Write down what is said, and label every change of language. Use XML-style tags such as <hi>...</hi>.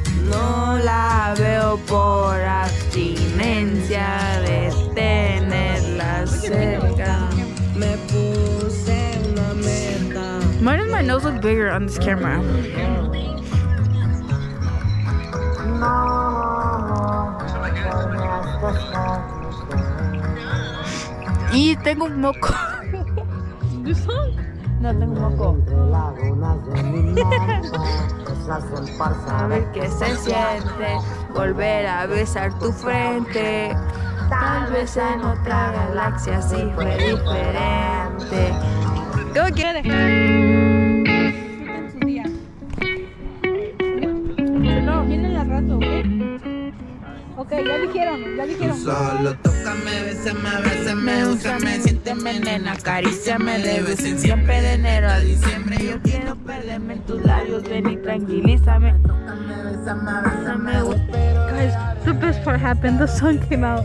<es>No la veo por abstinencia de tenerla cerca. Me puse una meta.</es> <en>Why does my nose look bigger on this camera?</en> <es>No. Y tengo un moco. ¿Tu song? No, tengo un moco. Sabes que se siente volver a besar tu frente. Tal vez en otra galaxia sí fue diferente.</es> <en>Go get it.</en> <es>Okay, ya dijeron. besame, besame, besame, búscame, siénteme, nena, acaríciame, de vez en siempre, de enero a diciembre. Yo quiero perderme en tus labios, ven y tranquilízame. Tócame, besame, besame,</es> <en>guys, the best part happened, the sun came out.</en>